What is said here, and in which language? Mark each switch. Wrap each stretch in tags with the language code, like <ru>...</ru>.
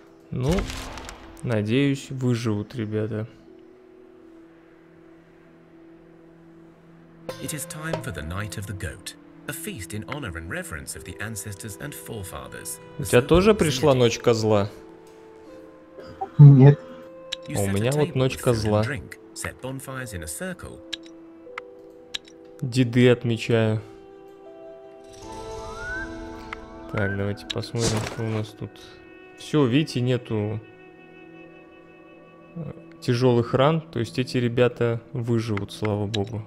<ru>Ну, надеюсь, выживут, ребята.</ru> <en>It is time for the Night of the Goat, a feast in honor and reverence of the ancestors and forefathers.</en> <ru>У тебя тоже пришла ночь козла? Нет. А у меня вот ночь козла.</ru> <en>Set bonfires in a circle.</en> <ru>Деды отмечаю. Так, давайте посмотрим, что у нас тут. Все, видите, нету тяжелых ран, то есть эти ребята выживут, слава богу.</ru>